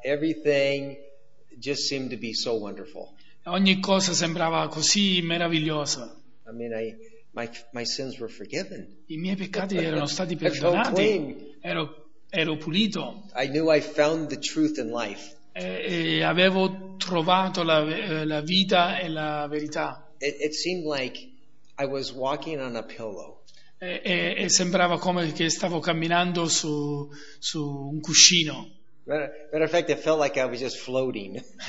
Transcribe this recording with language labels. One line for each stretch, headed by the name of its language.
English: Everything just seemed to be so wonderful.
Italian: Ogni cosa sembrava così meravigliosa.
English: I mean, my sins were forgiven.
Italian: I miei peccati erano stati perdonati. Ero pulito.
English: I knew I found the truth in life.
Italian: Avevo trovato la vita e la verità.
English: It seemed like I was walking on a pillow.
Italian: E sembrava come che stavo camminando su un cuscino.
English: Matter of fact, it felt like I was just floating.